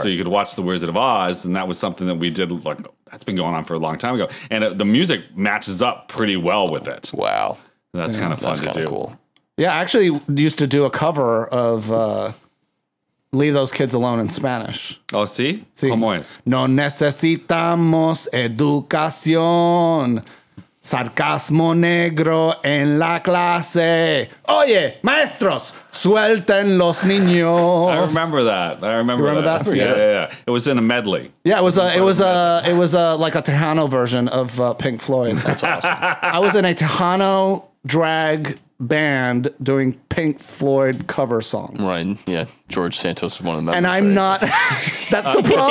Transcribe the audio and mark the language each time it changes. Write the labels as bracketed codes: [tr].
[en] So you could watch The Wizard of Oz, and that was something that we did, like, that's been going on for a long time ago. And the music matches up pretty well with it. Wow. That's kind of fun to do. That's kind of cool. Yeah, I actually used to do a cover of Leave Those Kids Alone in Spanish. [es] Oh, sí? Sí. ¿Cómo es? No necesitamos educación. Sarcasmo negro en la clase. Oye, maestros, suelten los niños. [en] I remember that. Yeah. It was in a medley. Yeah, it was a Tejano version of Pink Floyd. That's awesome. I was in a Tejano drag band doing Pink Floyd cover song. Right. Yeah. George Santos is one of them. And I'm not. That's the problem.